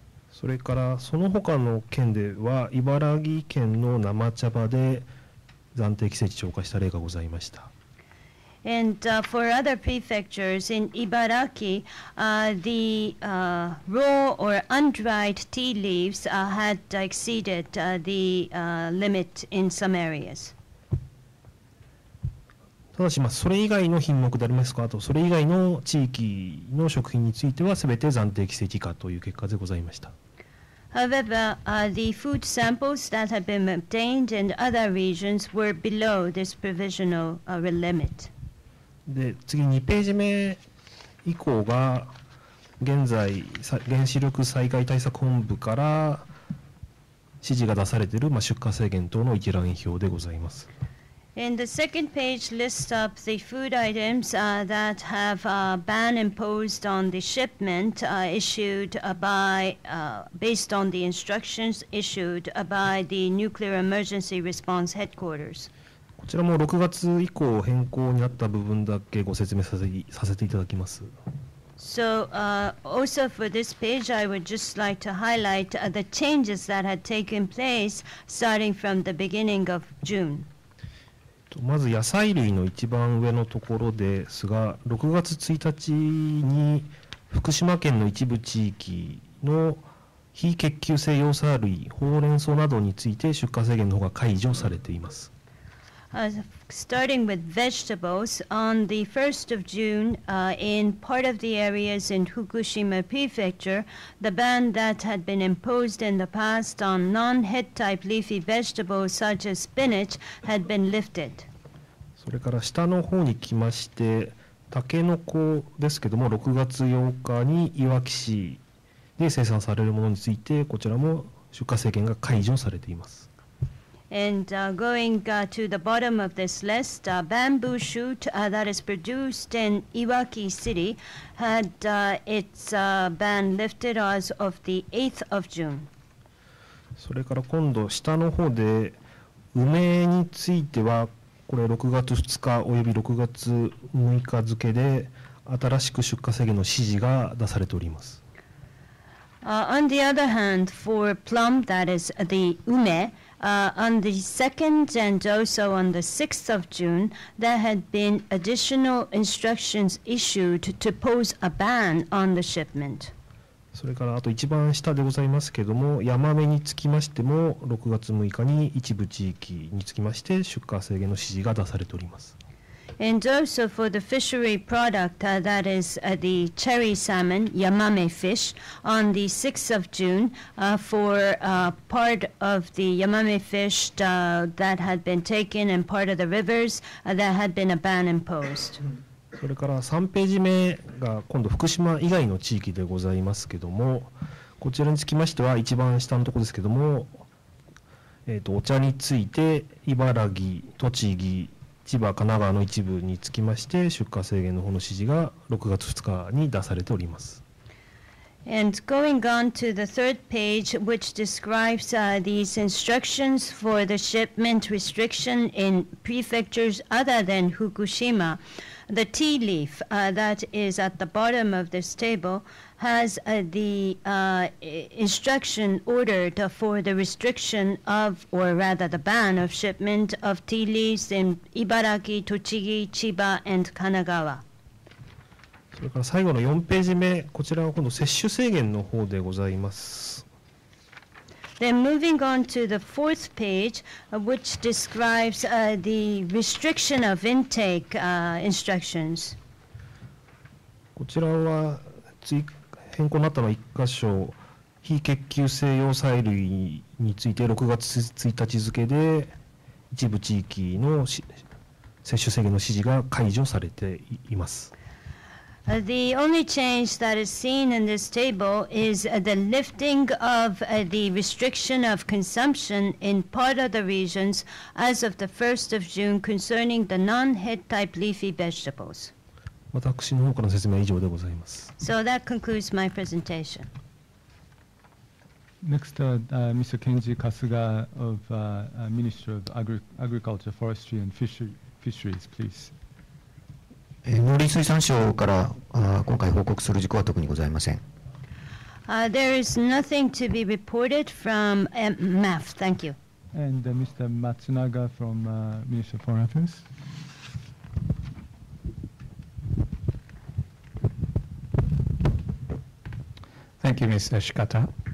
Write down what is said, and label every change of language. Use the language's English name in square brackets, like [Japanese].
[Japanese] それからその他の県では茨城県の生茶葉で暫定規制値超過した例がございました。 [English] And for other prefectures in Ibaraki, the raw or undried tea leaves had exceeded the limit in some areas. [Japanese] ただし、まあ、それ以外の品目でありますか、あとそれ以外の地域の食品については全て暫定規制以下という結果でございました。 [English] However, the food samples that had been obtained in other regions were below this provisional limit. [Japanese] で次2ページ目以降が現在原子力災害対策本部から指示が出されている、まあ、出荷制限等の一覧表でございます。 [English] And the second page lists up the food items that have a ban imposed on the shipment issued by based on the instructions issued by the Nuclear Emergency Response Headquarters. [Japanese] こちらも6月以降変更になった部分だけご説明させていただきます。 [English] So, also for this page, I would just like to highlight the changes that had taken place starting from the beginning of June. [Japanese] まず野菜類の一番上のところですが、6月1日に福島県の一部地域の非結球性葉酸類、ほうれん草などについて出荷制限の方が解除されています。 [English] Starting with vegetables, on the 1st of June, in part of the areas in Fukushima Prefecture, the ban that had been imposed in the past on non-head type leafy vegetables such as spinach had been lifted. [Japanese] それから下の方に来まして、タケノコですけども、6月8日にいわき市で生産されるものについて、こちらも出荷制限が解除されています。 [English] And going to the bottom of this list, bamboo shoot that is produced in Iwaki City had its ban lifted as of the 8th of June. [Japanese] それから今度下の方で梅についてはこれ6月2日および6月6日付で新しく出荷制限の指示が出されております。 [English] On the other hand, for plum, that is the ume, on the 2nd and also on the 6th of June, there had been additional instructions issued to pose a ban on the shipment. [Japanese] それからあと一番下でございますけれども、ヤマメにつきましても、6月6日に一部地域につきまして出荷制限の指示が出されております。 [English] And also for the fishery product, that is the cherry salmon, yamame fish, on the 6th of June, for part of the yamame fish that had been taken and part of the rivers that had been a ban imposed. [Japanese] それから3ページ目が今度福島以外の地域でございますけども、こちらにつきましては一番下のところですけども、お茶について茨城、栃木、千葉、神奈川の一部につきまして出荷制限の方の指示が6月2日に出されております。 [English] And going on to the third page, which describes these instructions for the shipment restriction in prefectures other than Fukushima, the tea leaf that is at the bottom of this table has the instruction ordered for the restriction of, or rather the ban of shipment of tea leaves in Ibaraki, Tochigi, Chiba, and Kanagawa. [Japanese] それから最後の4ページ目、こちらは今度接種制限の方でございます。 [English] Then moving on to the fourth page, which describes the restriction of intake instructions. [Japanese] こちらは変更になったのは1箇所、非結球性葉菜類について6月1日付で一部地域の接種制限の指示が解除されています。 [English] The only change that is seen in this table is the lifting of the restriction of consumption in part of the regions as of the 1st of June concerning the non-head type leafy vegetables. [Japanese] 私の方からの説明は以上でございます。 [English] So that concludes my presentation. Next, Mr. Kenji Kasuga of Minister of Agriculture, Forestry and Fisheries, please. [Japanese] 農林水産省から今回報告する事項は特にございません。 [English] There is nothing to be reported from MAF. Thank you. And Mr. Matsunaga from Ministry of Foreign Affairs. Thank you, Mr. Shikata.